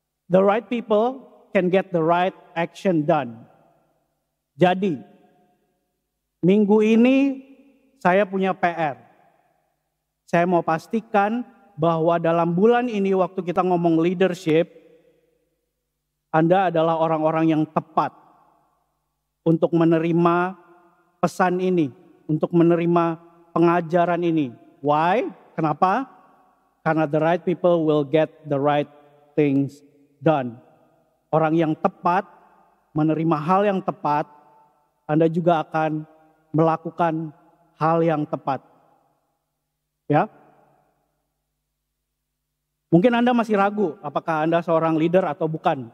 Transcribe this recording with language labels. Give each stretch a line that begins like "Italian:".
English: The right people can get the right action done.
Indonesian: Jadi, minggu ini saya punya PR. Saya mau pastikan bahwa dalam bulan ini waktu kita ngomong leadership, Anda adalah orang-orang yang tepat untuk menerima pesan ini, untuk menerima pengajaran ini.
English: Why?
Indonesian: Kenapa? Karena
English: the right people will get the right things done.
Indonesian: Orang yang tepat menerima hal yang tepat, Anda juga akan melakukan hal yang tepat. Ya? Mungkin Anda masih ragu apakah Anda seorang leader atau bukan.